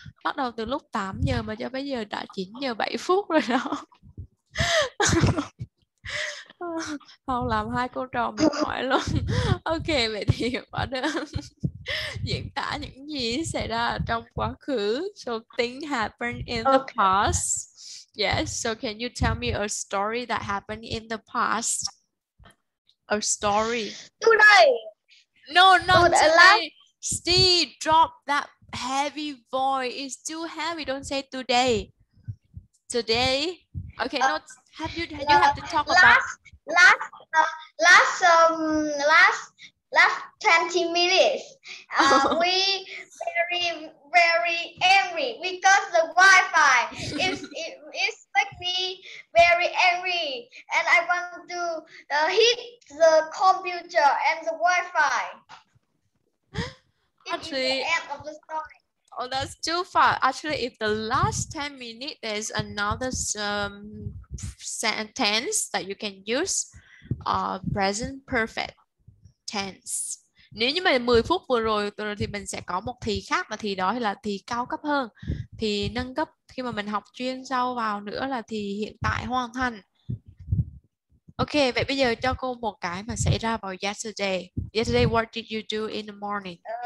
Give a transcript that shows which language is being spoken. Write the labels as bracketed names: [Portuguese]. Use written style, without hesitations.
[Vietnamese] Bắt đầu từ lúc 8 giờ mà cho bây giờ đã 9 giờ 7 phút rồi đó. Không làm hai cô trò mệt mỏi luôn. Ok, vậy thì quá đơn. Diễn tả những gì xảy ra trong quá khứ. [English] So things happened in the past. Yes, so can you tell me a story that happened in the past? A story. Today. No, not today. Steve, drop that heavy voice. It's too heavy. Don't say today. Today. Okay, not have you you have to talk last, about last 20 minutes. we very very angry because the Wi-Fi is make me very angry, and I want to hit the computer and the Wi-Fi. Actually, it is the end of the story. Oh, that's too far. Actually, if the last 10 minutes, there's another sentence that you can use, present perfect tense. [Vietnamese] Nếu như mà 10 phút vừa rồi thì mình sẽ có một thì khác, mà thì đó là thì cao cấp hơn, thì nâng cấp khi mà mình học chuyên sâu vào nữa là thì hiện tại hoàn thành. Ok, vậy bây giờ cho cô một cái mà xảy ra vào yesterday. [English] Yesterday, what did you do in the morning?